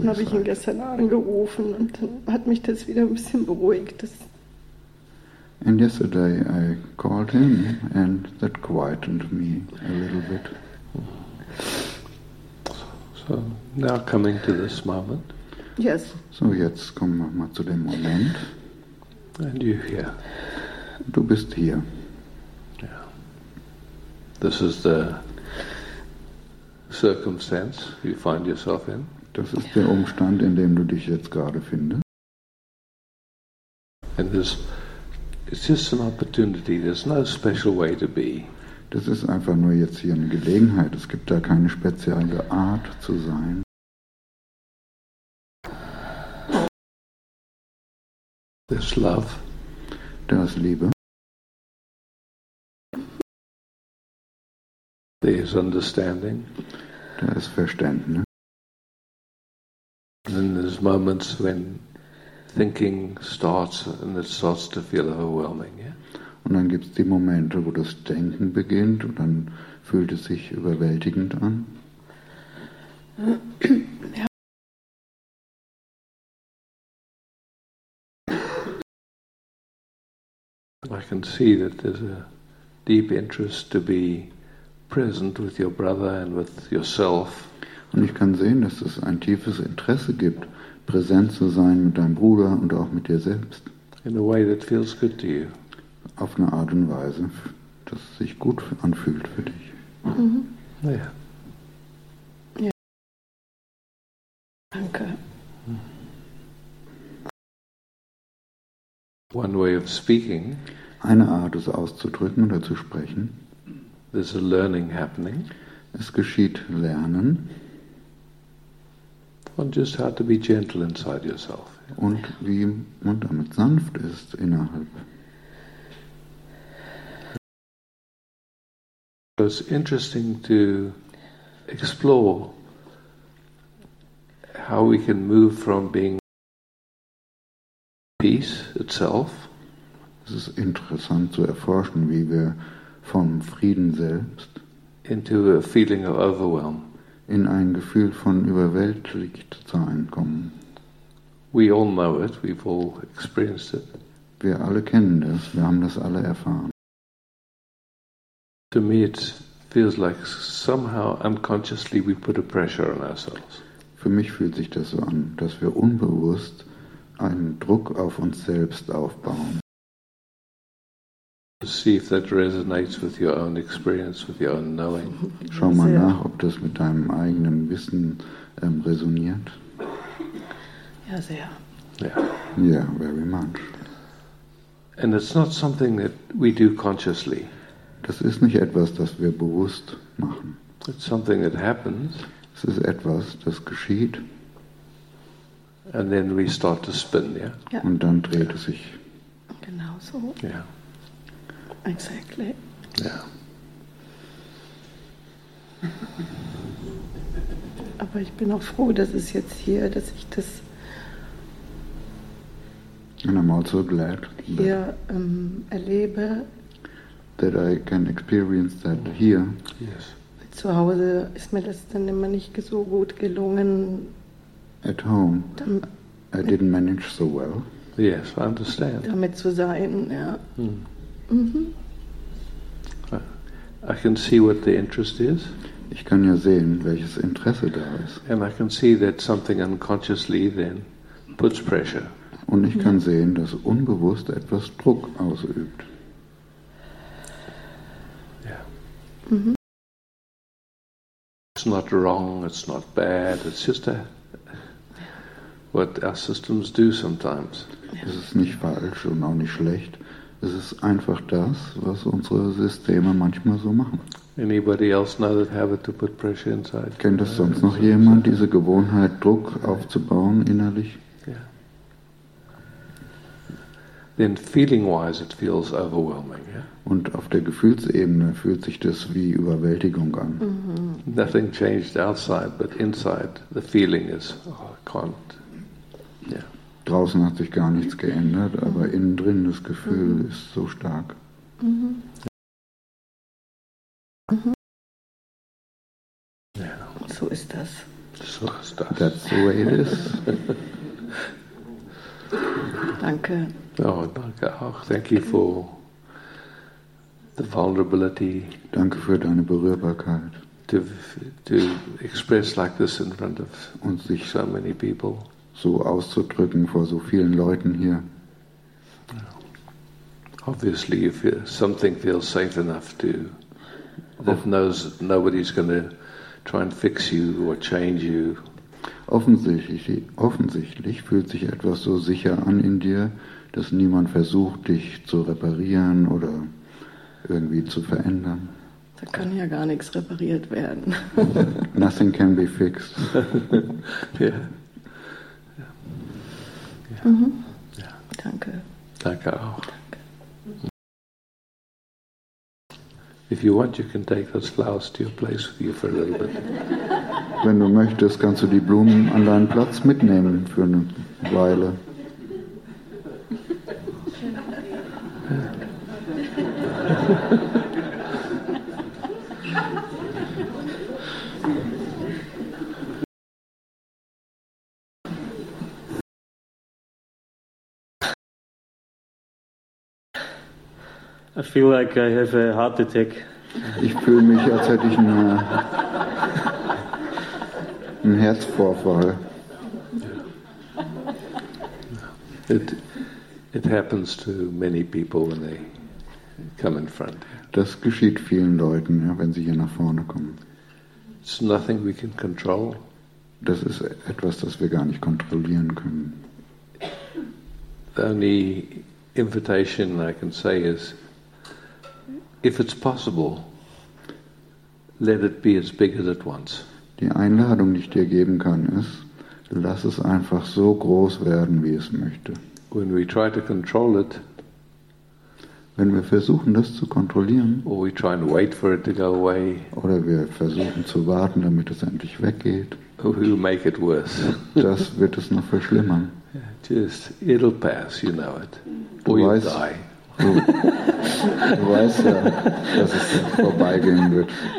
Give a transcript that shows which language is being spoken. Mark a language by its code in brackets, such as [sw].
[de] Dann habe ich ihn gestern angerufen, und dann hat mich das wieder ein bisschen beruhigt. [en] And yesterday I called him, and that quietened me a little bit. So now coming to this moment. Yes. [de] So jetzt kommen wir mal zu dem Moment. [en] And you here. [de] Du bist hier. [en] Yeah. This is the circumstance you find yourself in. [de] Das ist der Umstand, in dem du dich jetzt gerade findest. [en] And this. It's just an opportunity. There's no special way to be. [de] Das ist einfach nur jetzt hier eine Gelegenheit. Es gibt da keine spezielle Art zu sein. [en] There's love. [de] Da ist Liebe. [en] There's understanding. [de] Da ist Verständnis. [en] And then there's moments when thinking starts, and it starts to feel overwhelming. Yeah. [de] Und dann gibt's die Momente, wo das Denken beginnt, und dann fühlt es sich überwältigend an. Ja. [en] I can see that there's a deep interest to be present with your brother and with yourself. [de] Und ich kann sehen, dass es ein tiefes Interesse gibt, präsent zu sein mit deinem Bruder und auch mit dir selbst. [en] In a way that feels good to you. [de] Auf eine Art und Weise, dass es sich gut anfühlt für dich. [en] Mm-hmm. Yeah. One way of speaking. [de] Eine Art, es auszudrücken oder zu sprechen. [en] There's a learning happening. [de] Es geschieht Lernen. [en] And just how to be gentle inside yourself. [de] Und wie man damit sanft ist innerhalb. [en] It's interesting to explore how we can move from being peace itself. [de] Es ist interessant zu erforschen, wie wir vom Frieden selbst [en] into a feeling of overwhelm. [de] In ein Gefühl von überwältigt zu einkommen. [en] We all know it, we've all experienced it. [de] Wir alle kennen das, wir haben das alle erfahren. [en] To me it feels like somehow unconsciously we put a pressure on ourselves. [de] Für mich fühlt sich das so an, dass wir unbewusst einen Druck auf uns selbst aufbauen. [en] See if that resonates with your own experience, with your own knowing. [de] Schau mal nach, ob das mit deinem eigenen Wissen resoniert. Ja, sehr. [en] Yeah. Yeah, very much. And it's not something that we do consciously. [de] Das ist nicht etwas, das wir bewusst machen. [en] It's something that happens. [de] Es ist etwas, das geschieht. [en] And then we start to spin, yeah? Yeah. [de] Und dann dreht es sich. Genau so. Ja. Yeah. [en] Exactly. Yeah. [de] Aber ich bin auch froh, dass es jetzt hier, dass ich das. [en] And I'm also glad. [de] Hier erlebe. [en] That I can experience that here. Yes. [de] Zu Hause ist mir das dann immer nicht so gut gelungen. [en] At home, I didn't manage so well. Yes, I understand. [de] Damit zu sein, ja. Hm. [en] I can see what the interest is. [de] Ich kann ja sehen, welches Interesse da ist. [en] And I can see that something unconsciously then puts pressure. [de] Und ich kann sehen, dass unbewusst etwas Druck ausübt. [en] Yeah. Mm-hmm. It's not wrong, it's not bad, it's just a, what our systems do sometimes. [de] Es ist nicht falsch und auch nicht schlecht. Es ist einfach das, was unsere Systeme manchmal so machen. [en] Anybody else know that habit to put pressure inside? [de] Kennt das sonst noch jemand, diese Gewohnheit, Druck aufzubauen innerlich? [en] Yeah. Then feeling wise it feels overwhelming, yeah? [de] Und auf der Gefühlsebene fühlt sich das wie Überwältigung an. Mm-hmm. [en] Nothing changed outside, but inside the feeling is, oh, I can't. Yeah. [de] Draußen hat sich gar nichts geändert, aber innen drin das Gefühl ist so stark. Mm-hmm. [en] Yeah. [de] So ist das. So ist das. [en] That's the way it is. [de] Danke. Oh, danke auch. [en] Thank you for the vulnerability. [de] Danke für deine Berührbarkeit. [en] To express like this in front of [de] und sich [en] so many people. [de] So auszudrücken vor so vielen Leuten hier. [en] Obviously, if something feels safe enough to, that knows nobody's going to try and fix you or change you. [de] Offensichtlich fühlt sich etwas so sicher an in dir, dass niemand versucht, dich zu reparieren oder irgendwie zu verändern. Da kann ja gar nichts repariert werden. [en] Nothing can be fixed. Yeah. Mm-hmm. Yeah. [de] Danke. Danke auch. [en] If you want, you can take those flowers to your place with you for a little bit. [de] Wenn du möchtest, kannst du die Blumen an deinen Platz mitnehmen für eine Weile. [en] I feel like I have a heart attack. [de] Ich fühle mich, als hätte ich einen Herzvorfall. [en] It happens to many people when they come in front. [de] Das geschieht vielen Leuten, ja, wenn sie hier nach vorne kommen. [en] It's nothing we can control. [de] Das ist etwas, das wir gar nicht kontrollieren können. [en] The only invitation I can say is, if it's possible, let it be as big as it wants. [de] Die Einladung, die ich dir geben kann, ist, lass es einfach so groß werden, wie es möchte. [en] When we try to control it, [de] wenn wir versuchen, das zu kontrollieren, [en] or we try and wait for it to go away, [de] oder wir versuchen zu warten, damit es endlich weggeht, [en] we'll make it worse. [de] Das wird es noch verschlimmern. [en] Just, it'll pass, you know it. Or you die. [de] Du weißt ja, dass es vorbeigehen wird.